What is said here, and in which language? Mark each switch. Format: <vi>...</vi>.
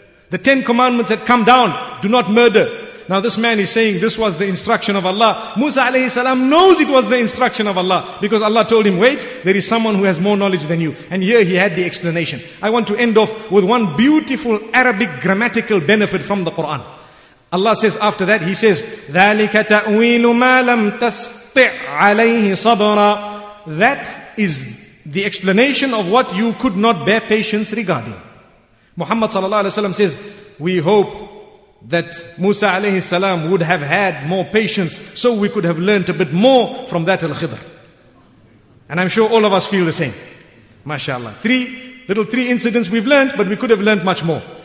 <en>The Ten Commandments had come down, do not murder. Now this man is saying this was the instruction of Allah. Musa alayhi salam knows it was the instruction of Allah. Because Allah told him, wait, there is someone who has more knowledge than you. And here he had the explanation. I want to end off with one beautiful Arabic grammatical benefit from the Quran. Allah says after that, he says,</en> <ar>ذَلِكَ تَأْوِيلُ مَا لَمْ تَسْطِعْ عَلَيْهِ صَبْرًا.</ar> <en>That is the explanation of what you could not bear patience regarding. Muhammad sallallahu alaihi wasallam says, we hope that Musa alayhi salam would have had more patience so we could have learned a bit more from that Al-Khidr. And I'm sure all of us feel the same. MashaAllah. Three incidents we've learned, but we could have learned much more.</en>